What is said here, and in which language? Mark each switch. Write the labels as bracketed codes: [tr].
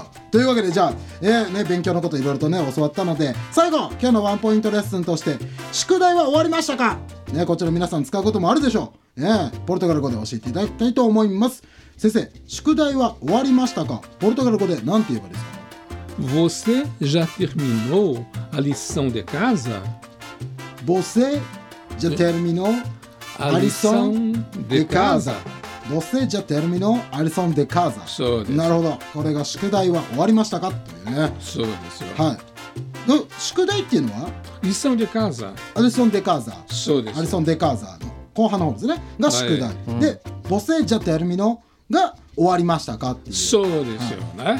[ja] というわけでじゃあ、ね、勉強のこといろいろとね教わったので、最後今日のワンポイントレッスンとして、宿題は終わりましたか、ね、こちら皆さん使うこともあるでしょう、ね、ポルトガル語で教えていただきたいと思います。先生、宿題は終わりましたか？ポルトガル語で何て言えばいいですか？ [pt] Você já terminou a lição de casa? Você já terminou a lição de casa? Você já terminou a lição de casa? [ja] そうです。なるほど。これが宿題は終わりましたかというね。そうですよ。はい。宿題っていうのは？ [pt] Lição de casa。 A lição de casa。 [ja] そうです。 [pt] A lição de casa [ja] の後半の方ですね。が宿題。はい、で、 [pt] Você já terminou? [ja] が終わりましたかっていう。そうですよね、はい、うん、